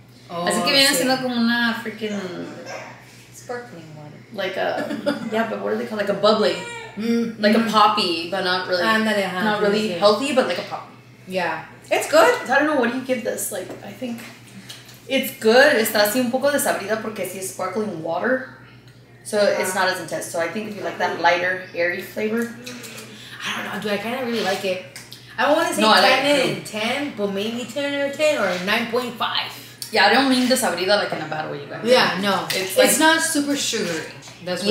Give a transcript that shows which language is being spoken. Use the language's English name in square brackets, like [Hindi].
[Spanish] Oh, así que viene siendo como una freaking [English] sparkling water. Like a, yeah, but what do they call it? Like a bubbly. Mm-hmm. Like a poppy, but not really. And then it has not really taste. Healthy, but like a poppy. Yeah. It's good. I don't know, what do you give this? Like, I think it's good. [Spanish] Está así un poco desabrida porque sí es [English] sparkling water. So it's not as intense. So I think if you like that lighter, airy flavor. I don't know, dude. I kind of really like it. I want to say 10 out of 10, but maybe 10 out of 10 or 9.5. Yeah, I don't mean desabrida like in a bad way, you guys. Yeah, no. It's, like, it's not super sugary. That's what